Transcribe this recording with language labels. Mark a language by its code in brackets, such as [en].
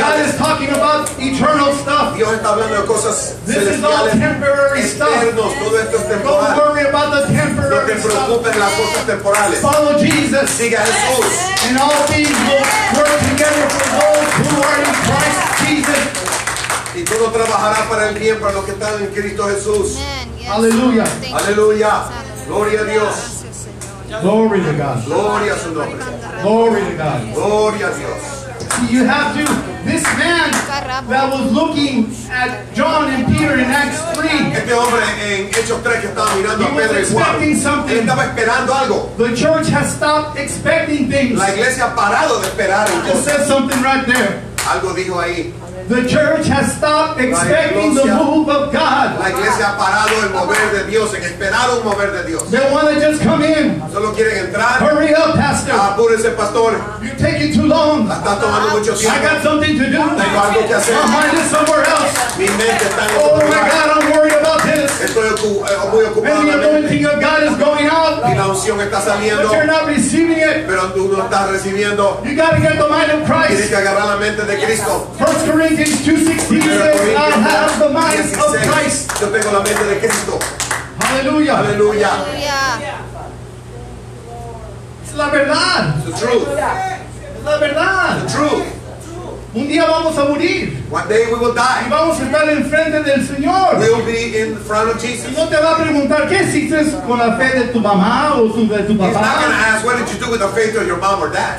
[en] God is talking about eternal stuff. [es] Dios está hablando de cosas celestiales. [en] This is all temporary [es] eternos. [en] Stuff. [es] Todo esto es temporal. [en] Don't worry about the temporary stuff. [es] No te preocupes [en] stuff. [es] Las cosas temporales. [en] Follow Jesus. [es] Sigue a Jesús. [en] And all things will work together for those who are in Christ Jesus. [es] Y todo trabajará para el bien para los que están en Cristo Jesús. [en] Yes. [es] Aleluya. Aleluya. Gloria a Dios. [en] Glory to God. [es] Gloria a su nombre. [en] Glory to God. [es] Gloria a Dios. [en] See, you have to, this man that was looking at John and Peter in Acts 3, [es] este hombre en Hechos 3 que estaba mirando a Pedro y Juan, [en] expecting something. [es] Él estaba esperando algo. [en] The church has stopped expecting things. [es] La iglesia ha parado de esperar algo. [en] It says something right there. [es] Algo dijo ahí. [en] The church has stopped expecting the move of God. [es] La iglesia ha parado el mover de Dios, en esperar un mover de Dios. [en] They want to just come in. [es] Solo quieren entrar. [en] Hurry up, pastor. [es] Apúrese, pastor. [en] You're taking too long. [es] Está tomando mucho tiempo. [en] I got something to do. [es] Tengo algo que hacer. [en] My mind is somewhere else. [es] Mi mente está en otro lugar. [en] Oh my God, I'm worried about this. [es] Estoy muy ocupado. [en] And the anointing of God is going out. [es] Y la unción está saliendo. [en] But you're not receiving it. [es] Pero tú no estás recibiendo. [en] You got to get the mind of Christ. [es] Tienes que agarrar la mente de Cristo. [en] 1 Corinthians 2:16 says, I have the mind of Christ. [es] Yo tengo la mente de [en] Hallelujah. Hallelujah. [es] Es la verdad. [en] It's the truth. [es] Es la verdad. [en] It's the truth. [es] Un día vamos a morir. [en] One day we will die. [es] Y vamos a estar en frente del Señor. [en] We will be in front of Jesus. [es] Y no te va a preguntar qué hiciste con la fe de tu mamá o de tu papá. [en] He's not going to ask what did you do with the faith of your mom or dad.